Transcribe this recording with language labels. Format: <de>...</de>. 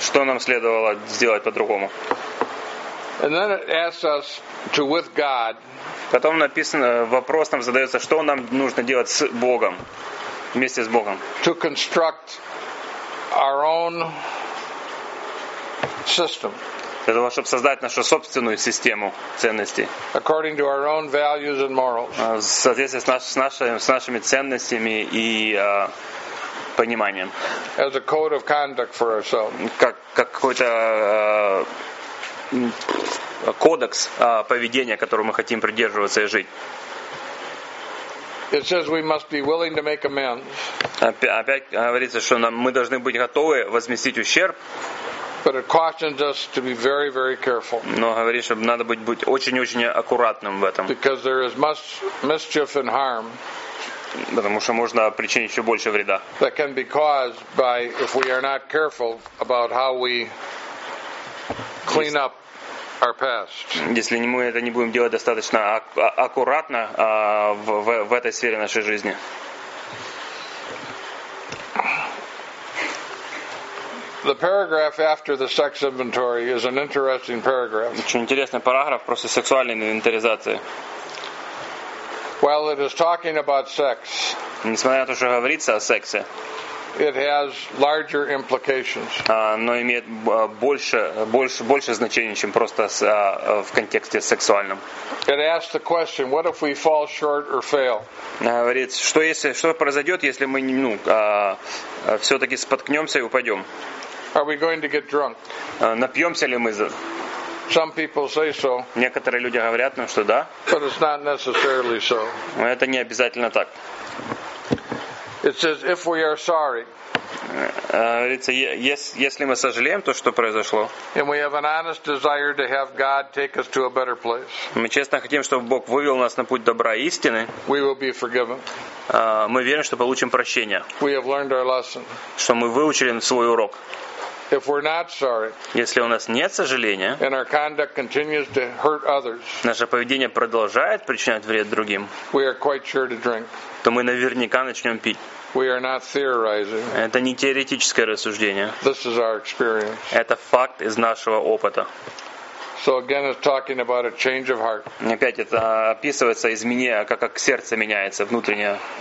<ru>Что нам следовало сделать по-другому?</ru> <en>And then it asks us to with God.</en> <ru>Потом написано, вопрос нам задается, что нам нужно делать с Богом, вместе с Богом.</ru> <en>To construct our own system.</en> <ru>Для того, чтобы создать нашу собственную систему ценностей.</ru> <en>According to our own values and morals.</en> <ru>В соответствии с нашими ценностями и пониманием.</ru> <en>As a code of conduct for ourselves.</en> <ru>Как какой-то кодекс поведения, которому мы хотим придерживаться и жить.</ru> <en>It says we must be willing to make amends.</en> <ru>Опять говорится, что мы должны быть готовы возместить ущерб.</ru> <en>But it cautions us to be very, very careful.</en> <ru>Но говорит, что надо быть очень-очень аккуратным в этом.</ru> <en>Because there is much mischief and harm.</en> <ru>Потому что можно причинить еще больше вреда.</ru> <en>That can be caused by if we are not careful about how we clean up our past.</en> <ru>Если мы это не будем делать достаточно аккуратно в этой сфере нашей жизни.</ru> <en>The paragraph after the sex inventory is an interesting paragraph.</en> <ru>Очень интересный параграф после сексуальной инвентаризации.</ru> <en>While it is talking about sex,</en> <ru>несмотря на то, что говорится о сексе,</ru> <en>it has larger implications.</en> <ru>Оно имеет больше значения, чем просто в контексте сексуальном.</ru> <en>It asks the question, what if we fall short or fail?</en> <ru>Говорит, что произойдет, если мы все-таки споткнемся и упадем?</ru> <en>Are we going to get drunk?</en> <ru>Напьемся ли мы?</ru> <en>Some people say so.</en> <ru>Некоторые люди говорят нам, что да.</ru> <en>But it's not necessarily so.</en> <ru>Но это не обязательно так.</ru> <en>It says if we are sorry.</en> <ru>Говорится, если мы сожалеем то, что произошло.</ru> <en>And we have an honest desire to have God take us to a better place.</en> <ru>Мы честно хотим, чтобы Бог вывел нас на путь добра и истины.</ru> <en>We will be forgiven.</en> <ru>Мы верим, что получим прощение.</ru> <en>We have learned our lesson.</en> <ru>Что мы выучили свой урок.</ru> <en>If we're not sorry,</en> <ru>если у нас нет сожаления,</ru> <en>and our conduct continues to hurt others,</en> <ru>наше поведение продолжает причинять вред другим,</ru> <en>we are quite sure to drink.</en> <ru>То мы наверняка начнем пить.</ru> <en>We are not theorizing.</en> <ru>Это не теоретическое рассуждение.</ru> <en>This is our experience.</en> <ru>Это факт из нашего опыта.</ru> <en>So again, it's talking about a change of heart.</en> <ru>Опять это описывается изменение, как сердце меняется внутреннее.</ru>